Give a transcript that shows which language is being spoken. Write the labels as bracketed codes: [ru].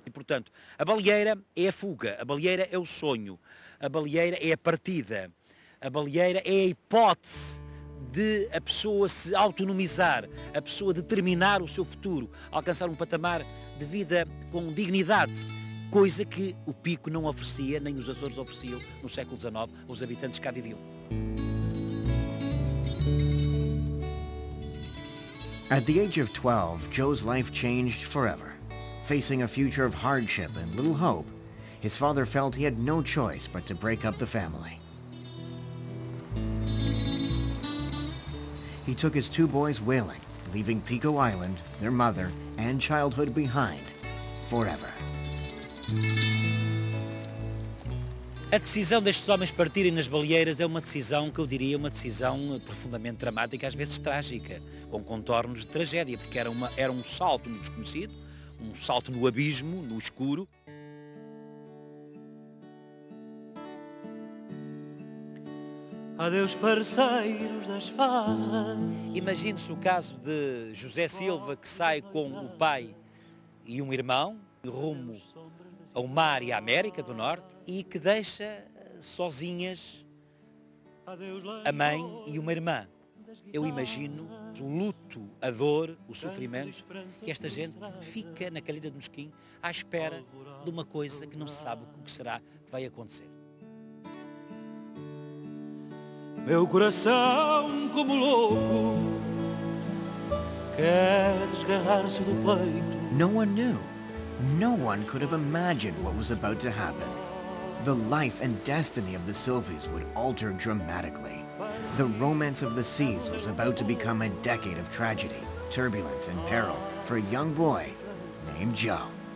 [pt] E, portanto, a baleeira é a fuga, a baleeira é o sonho, a baleeira é a partida, a baleeira é a hipótese de a pessoa se autonomizar, a pessoa determinar o seu futuro, alcançar um patamar de vida com dignidade, coisa que o Pico não oferecia, nem os Açores ofereciam no século XIX aos habitantes que cá viviam. [en] At the age of 12, Joe's life changed forever. Facing a future of hardship and little hope, his father felt he had no choice but to break up the family. He took his two boys whaling, leaving Pico Island, their mother, and childhood behind forever. [pt] A decisão destes homens partirem nas baleeiras é uma decisão que eu diria uma decisão profundamente dramática, às vezes trágica, com contornos de tragédia, porque era um salto muito desconhecido, um salto no abismo, no escuro. Adeus, parceiros das farras. Imagine-se o caso de José Silva, que sai com o pai e um irmão rumo ao mar e à América do Norte, e que deixa sozinhas a mãe e uma irmã. Eu imagino o luto, a dor, o sofrimento, que esta gente fica na calheta de Mesquim à espera de uma coisa que não se sabe o que será que vai acontecer. Meu coração, como louco, quer desgarrar-se do peito. [en] No one knew. No one could have imagined what was about to happen. The life and destiny of the Silvies would alter dramatically. The romance of the seas was about to become a decade of tragedy, turbulence, and peril for a young boy named Joe.